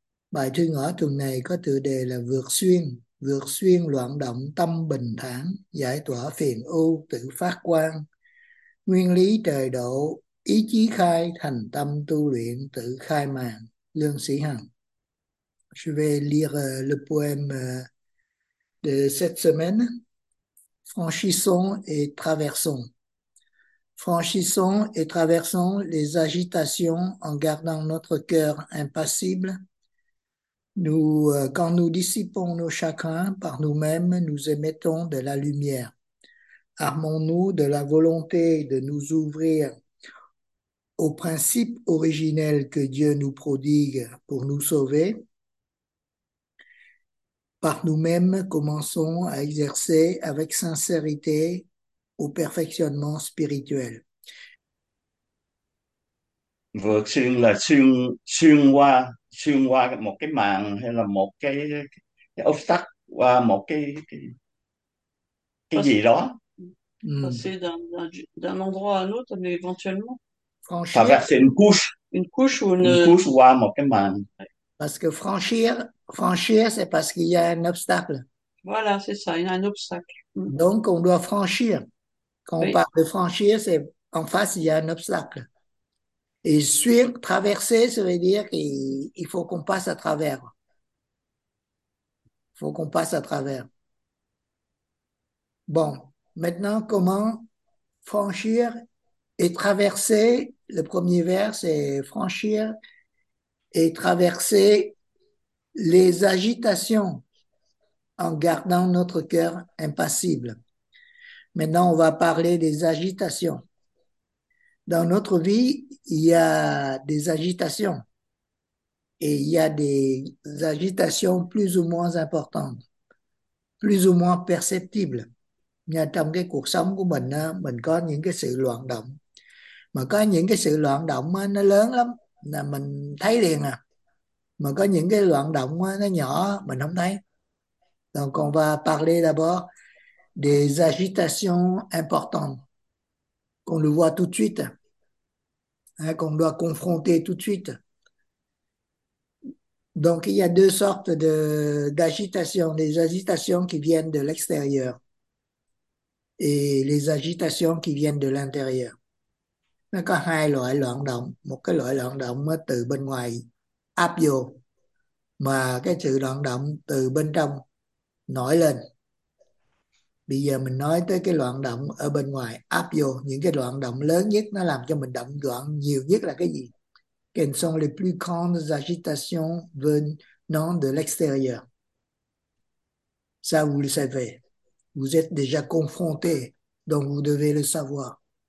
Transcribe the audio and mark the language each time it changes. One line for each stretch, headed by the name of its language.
Vietnamese: Bài thi ngữ tuần này có tựa đề là vượt xuyên loạn động tâm bình thản, giải tỏa phiền ưu tự phát quang. Nguyên lý trời độ, ý chí khai thành tâm tu luyện tự khai màn, Lương Sĩ Hằng.
French: Je vais lire le poème de cette semaine. Franchissons et traversons. Franchissons et traversons les agitations en gardant notre cœur impassible. Quand nous dissipons nos chagrins par nous-mêmes, nous émettons de la lumière. Armons-nous de la volonté de nous ouvrir aux principes originels que Dieu nous prodigue pour nous sauver. Par nous-mêmes, commençons à exercer avec sincérité au perfectionnement spirituel.
Vietnamese: Vượt xuyên là xuyên xuyên qua một cái màn hay là một cái obstacle, qua một cái gì đó,
French: Passer d'un endroit à l'autre, mais éventuellement traverser franchir une couche ou une une.
Vietnamese: couche qua một cái màn.
French: Parce que franchir, c'est parce qu'il y a un obstacle. Voilà, c'est ça, il y a un obstacle. Donc, on doit franchir. Quand on Oui. parle de franchir, c'est en face, il y a un obstacle. Et suivre, traverser, ça veut dire qu'il faut qu'on passe à travers. Il faut qu'on passe à travers. Bon, maintenant, comment franchir et traverser, le premier vers, c'est franchir et traverser les agitations en gardant notre cœur impassible. Maintenant, on va parler des agitations. Dans notre vie, il y a des agitations et il y a des agitations plus ou moins importantes, plus ou moins perceptibles.
Vietnamese: Nhà trong cái cuộc sống của mình có những cái sự loạn động, mà có những cái sự loạn động nó lớn lắm là mình thấy liền à, mà có những cái loạn động nó nhỏ mình không thấy.
French: Donc on va parler d'abord des agitations importantes qu'on le voit tout de suite, hein, qu'on doit confronter tout de suite. Donc il y a deux sortes d'agitations, des agitations qui viennent de l'extérieur et les agitations qui viennent de l'intérieur.
Vietnamese: Nó có hai loại loạn động. Một cái loại loạn động từ bên ngoài áp vô, mà cái sự loạn động từ bên trong nổi lên. Bây giờ mình nói tới cái loạn động ở bên ngoài áp vô, những cái loạn động lớn nhất nó làm cho mình động loạn nhiều nhất là cái gì?
French: Quelles sont les plus grandes agitations venant de l'extérieur? Ça, vous le savez. Vous êtes déjà confronté, donc vous devez le savoir.